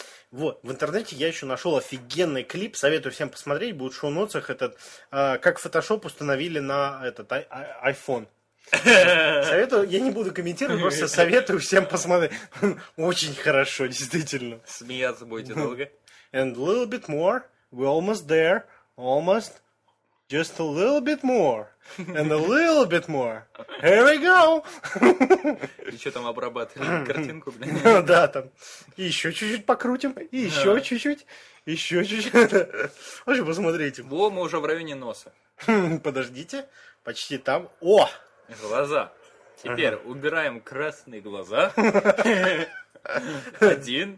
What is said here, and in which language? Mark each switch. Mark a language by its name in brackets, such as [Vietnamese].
[Russian] Вот, в интернете я еще нашел офигенный клип, советую всем посмотреть, будет в шоу-нотсах этот, как Photoshop установили на этот iPhone. Советую, я не буду комментировать, просто советую всем посмотреть. Очень хорошо, действительно. Смеяться будете долго. [English] And a little bit more, we're almost there, almost, just a little bit more, and a little bit more, here we go! [Russian] И что там обрабатывали картинку, блин? Да, там, еще чуть-чуть покрутим, и еще чуть-чуть, еще чуть-чуть. В общем, посмотрите. Во, мы уже в районе носа. Подождите, почти там. О! Глаза. Теперь убираем красные глаза. Один.